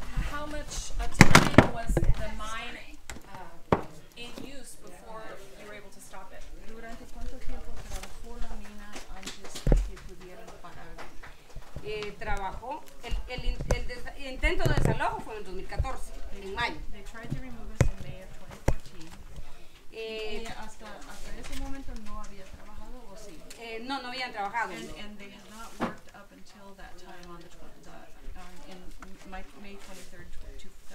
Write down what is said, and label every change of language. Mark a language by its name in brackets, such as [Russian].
[English] How much time was the mine in use before you were able to stop it? [Spanish] Durante cuánto tiempo trabajó la mina antes de que pudieran parar? Trabajó el intento de desalojo fue en 2014, en mayo. [English] They tried to remove us in May of 2014. [Spanish] Hasta ese momento no había trabajado o sí. No habían trabajado. [English] And they had not worked up until that time on in May 23rd, 2014.